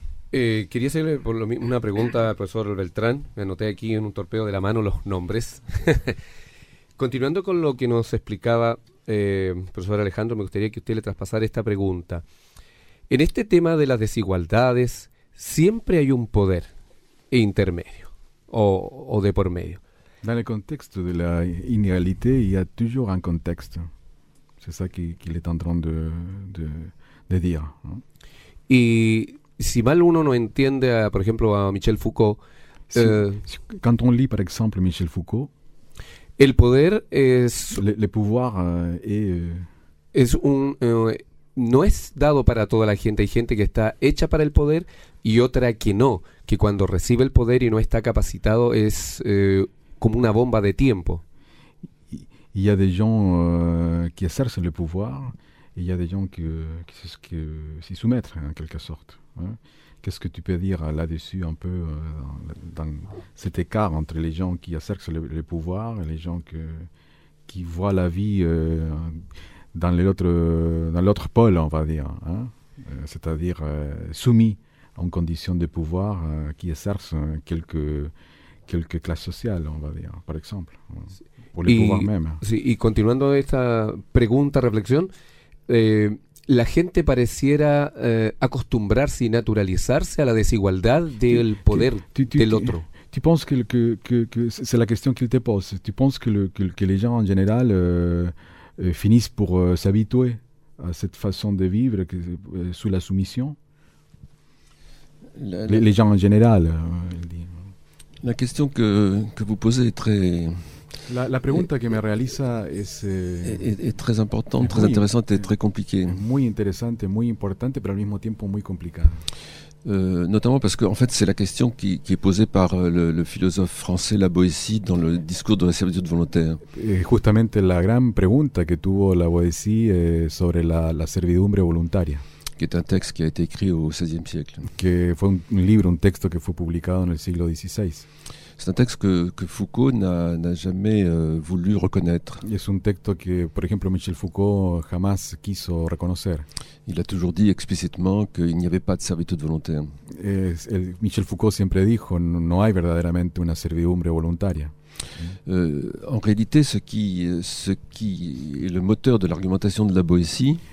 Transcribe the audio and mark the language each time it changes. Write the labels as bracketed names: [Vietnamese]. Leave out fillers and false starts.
[Spanish] Quería hacerle una pregunta al profesor Beltrán. Me anoté aquí en un torpeo de la mano los nombres. Continuando con lo que nos explicaba profesor Alejandro, me gustaría que usted le traspasara esta pregunta. En este tema de las desigualdades, siempre hay un poder intermedio o de por medio. [French] Dans le contexte de la inégalité, il y a toujours un contexte. C'est ça qu'il est en train de dire. [Spanish] Y si mal uno no entiende, por ejemplo, a Michel Foucault... [French] Si, quand on lit, par exemple, Michel Foucault... [Spanish] El poder es... [French] Le pouvoir est... [Spanish] Es un... no es dado para toda la gente. Hay gente que está hecha para el poder y otra que no. Que cuando recibe el poder y no está capacitado es... [French] comme une bombe de temps. Il y a des gens qui exercent le pouvoir, et il y a des gens qui s'y soumettent, en quelque sorte. Hein. Qu'est-ce que tu peux dire là-dessus, un peu, dans cet écart entre les gens qui exercent le pouvoir et les gens qui voient la vie dans l'autre pôle, on va dire. Hein. C'est-à-dire soumis en condition de pouvoir qui exercent quelques classes sociales, on va dire, par exemple, pour les pouvoirs même. [Spanish] Sí, y continuando esta pregunta, reflexión, la gente pareciera acostumbrarse y naturalizarse a la desigualdad del poder del otro. [French] Tu penses que c'est la question qu'il te pose. Tu penses que les gens en général finissent pour s'habituer à cette façon de vivre sous la soumission? Les gens en général, il dit. La question que vous posez est très... [Spanish] La pregunta que me realiza es... [French] Es très importante, très intéressante et très compliquée. [Spanish] Muy interesante, muy importante, pero al mismo tiempo muy complicada. [French] Notamment parce que, en fait, c'est la question qui est posée par le philosophe français La Boétie dans le discours de la servitude volontaire. [Spanish] Justamente la gran pregunta que tuvo La Boétie sobre la servidumbre voluntaria. [French] Qui est un texte qui a été écrit au XVIe siècle. [Spanish] Que fue un libro, un texto que fue publicado en el siglo XVI. [French] C'est un texte que Foucault n'a jamais voulu reconnaître. [Spanish] Es un texto que, por ejemplo, Michel Foucault jamás quiso reconocer. [French] Il a toujours dit explicitement qu'il n'y avait pas de servitude volontaire. [Spanish] Michel Foucault siempre dijo, no hay verdaderamente una servidumbre voluntaria. [French] En réalité, ce qui est le moteur de l'argumentation de La Boétie,